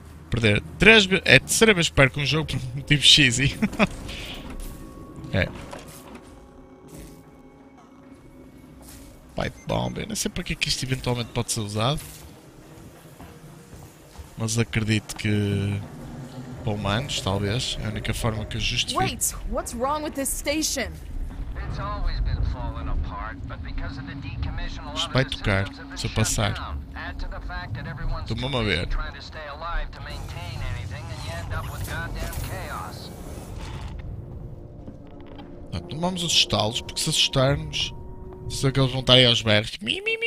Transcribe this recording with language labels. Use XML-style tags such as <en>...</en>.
<pt>Perder 3 vezes. É a terceira vez que perco um jogo por motivo cheesy. É. Pipe bomb. Eu não sei para que é que isto eventualmente pode ser usado. Mas acredito que. Humanos, talvez. É a única forma que eu justifico.</pt> <en>Wait, what's wrong with this station? It's always been falling apart, but because of the decommission, a lot of the systems have been shut down. Add to the fact that everyone's trying to stay alive to maintain anything, and you end up with goddamn chaos.</en> <pt>Não, tomamos assustá-los, porque se assustarmos, se é que eles vão estar aí aos berros. Mi.</pt>